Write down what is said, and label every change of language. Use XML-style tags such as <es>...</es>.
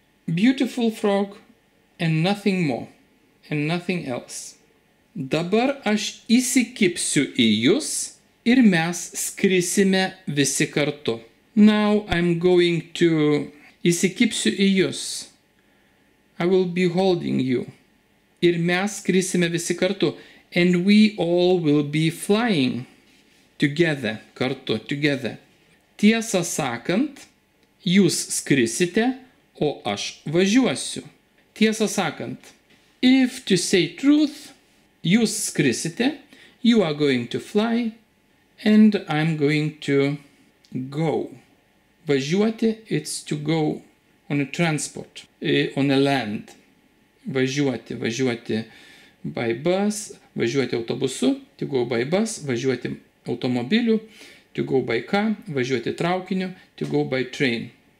<en>Beautiful frog and nothing more and nothing else.</en> <lt>Dabar aš įsikipsiu į jus ir mes skrisime visi kartu.</lt> <en>Now I'm going to</en> <lt>įsikipsiu į jus.</lt> <en>I will be holding you.</en> <lt>Ir mes skrisime visi kartu.</lt> <en>And we all will be flying together, kartu, together.</en> <lt>Tiesą sakant, jūs skrisite, o aš važiuosiu. Tiesą sakant,</lt> <en>if to say truth,</en> <lt>Jūs skrisite,</lt> <en>you are going to fly, and I'm going to go. Važiuoti, it's to go on a transport, on a land. Važiuoti, važiuoti by bus,</en> <lt>važiuoti autobusu,</lt> <en>to go by bus,</en> <lt>važiuoti automobiliu,</lt> <en>to go by car,</en> <lt>važiuoti traukiniu,</lt> <en>to go by train.</en>